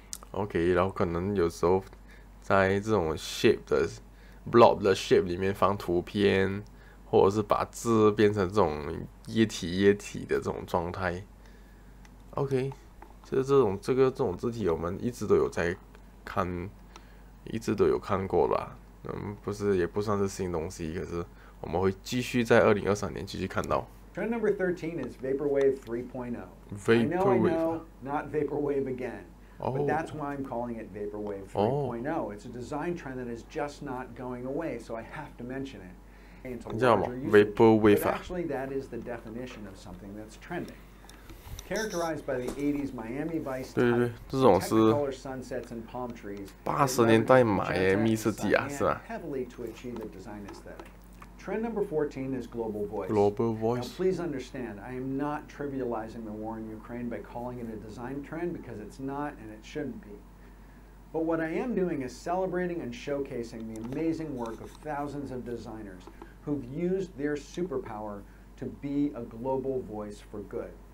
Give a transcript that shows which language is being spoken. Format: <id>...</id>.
<zh>OK，然后可能有时候在这种 shape 的 blob 的 shape 里面放图片，或者是把字变成这种液体的这种状态。 OK，就是这种字体，我们一直都有在看，一直都有看过吧。不是，也不算是新东西，可是我们会继续在2023年继续看到。</zh> <en>Trend number 13 is Vaporwave 3.0. I Vaporwave。 know, not Vaporwave again, but that's why I'm calling it Vaporwave 3.0. It's a design trend that is just not going away, so I have to mention it. And it's a larger usage, but actually that is the definition of something that's trending. Characterized by the 80s Miami Vice</en> <zh>对对对，这种是</zh> <en>Technicolor sunsets and palm trees,</en> <zh>80年代迈阿密设计啊，是吧？</zh> <en>heavily to achieve a design aesthetic. Trend number 14 is global voice. Global voice. Now, please understand, I am not trivializing the war in Ukraine by calling it a design trend because it's not and it shouldn't be. But what I am doing is celebrating and showcasing the amazing work of thousands of designers who've used their superpower to be a global voice for good.</en>